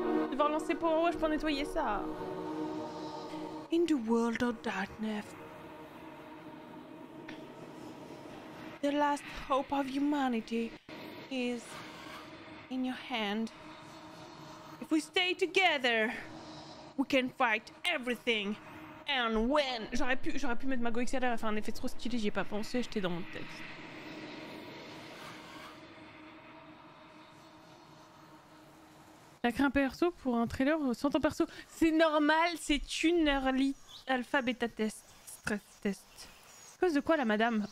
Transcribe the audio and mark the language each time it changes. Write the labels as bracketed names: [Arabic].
[French] Je vais relancer pour Overwatch pour nettoyer ça. [English] In the world of darkness. The last hope of humanity is in your hand. If we stay together, we can fight everything and win. [French] J'aurais pu mettre ma Go XLR à faire un effet trop stylé, j'y ai pas pensé, j'étais dans mon texte. La crée un perso pour un trailer sans ton perso. C'est normal, c'est une early alpha beta test. Stress test. À cause de quoi la madame?